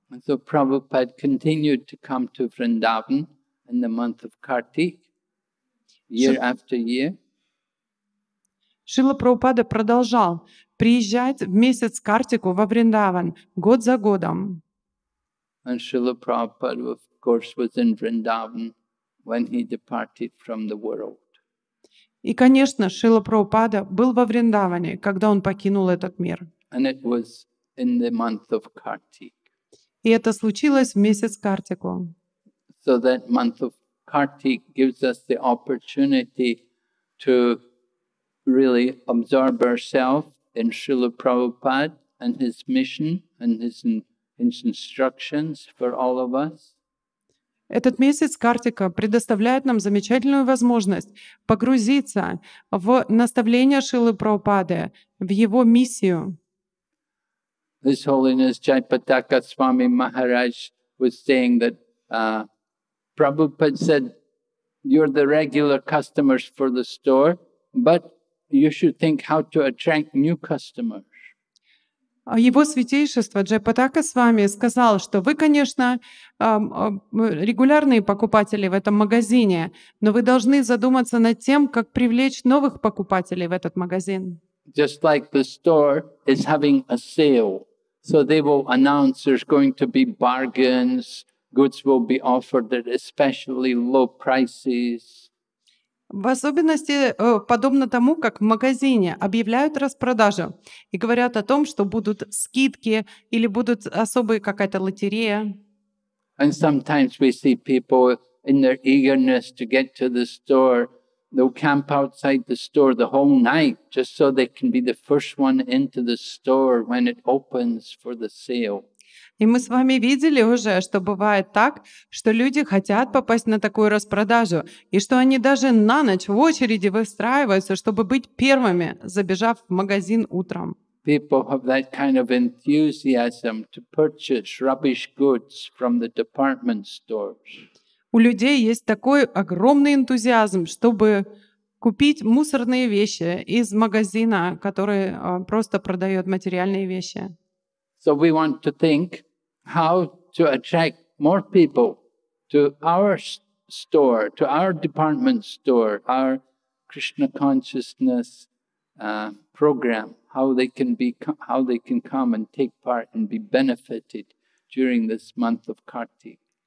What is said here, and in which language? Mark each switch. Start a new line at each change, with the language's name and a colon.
English: So Prabhupada continued to come to Vrindavan in the month of Kartik, year after year.
Russian: Шрила Прабхупада продолжал приезжать в месяц Картику во Вриндаван год за годом.
English: And Srila Prabhupada, of course, was in Vrindavan when he departed from the world.
Russian: И, конечно, Шрила Прабхупада был во Вриндаване, когда он покинул этот мир.
English: And it was in the month of Kartik.
Russian: И это случилось в месяц Картику.
English: So that month of Kartik gives us the opportunity to really absorb ourselves in Srila Prabhupada and his mission and his instructions for all of us.
Russian: Этот месяц Картика предоставляет нам замечательную возможность погрузиться в наставления Шрилы Прабхупады, в его миссию.
English: His Holiness Jaipataka Swami Maharaj was saying that Prabhupada said, you're the regular customers for the store, but you should think how to attract new customers.
Russian: Его святейшество Джайпатака Свами сказал, что вы, конечно, регулярные покупатели в этом магазине, но вы должны задуматься над тем, как привлечь новых покупателей в этот магазин.
English: Just like the store is having a sale, so they will announce there's going to be bargains, goods will be offered at especially low prices.
Russian: В особенности подобно тому, как в магазине объявляют распродажу и говорят о том, что будут скидки или будут особые какая-то лотерея.
English: And sometimes we see people in their eagerness to get to the store, they'll camp outside the store the whole night just so they can be the first one into the store when it opens for the sale.
Russian: И мы с вами видели уже, что бывает так, что люди хотят попасть на такую распродажу, и что они даже на ночь в очереди выстраиваются, чтобы быть первыми, забежав в магазин утром.
English: People have that kind of enthusiasm to purchase rubbish goods from the department stores.
Russian: У людей есть такой огромный энтузиазм, чтобы купить мусорные вещи из магазина, который просто продает материальные вещи.
English: So we want to think how to attract more people to our store, to our department store, our Krishna consciousness program, how they can come and take part and be benefited during this month of Kartik.